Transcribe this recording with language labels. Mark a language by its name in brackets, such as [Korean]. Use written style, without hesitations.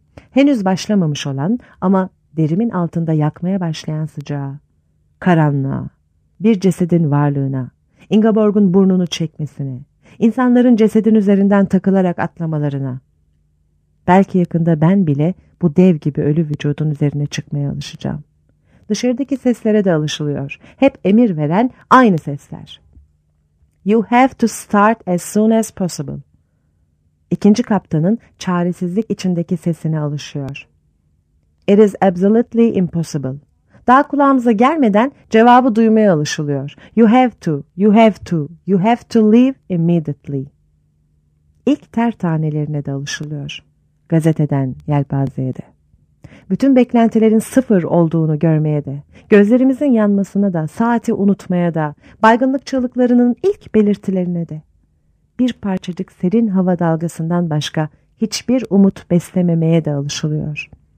[Turkish] Henüz başlamamış olan ama derimin altında yakmaya başlayan sıcağa, karanlığa, bir cesedin varlığına, Ingeborg'un burnunu çekmesine, insanların cesedin üzerinden takılarak atlamalarına. Belki yakında ben bile bu dev gibi ölü vücudun üzerine çıkmaya alışacağım. Dışarıdaki seslere de alışılıyor. Hep emir veren aynı sesler. [English] You have to start as soon as possible. [Turkish] İkinci kaptanın çaresizlik içindeki sesine alışıyor. [English] It is absolutely impossible. [Turkish] Daha kulağımıza gelmeden cevabı duymaya alışılıyor. [English] You have to, you have to, you have to leave immediately. [Turkish] İlk ter tanelerine de alışılıyor. Gazeteden yelpazeye de. Bütün beklentilerin sıfır olduğunu görmeye de, gözlerimizin yanmasına da, saati unutmaya da, baygınlık çığlıklarının ilk belirtilerine de. Bir parçacık serin hava dalgasından başka hiçbir umut beslememeye de alışılıyor.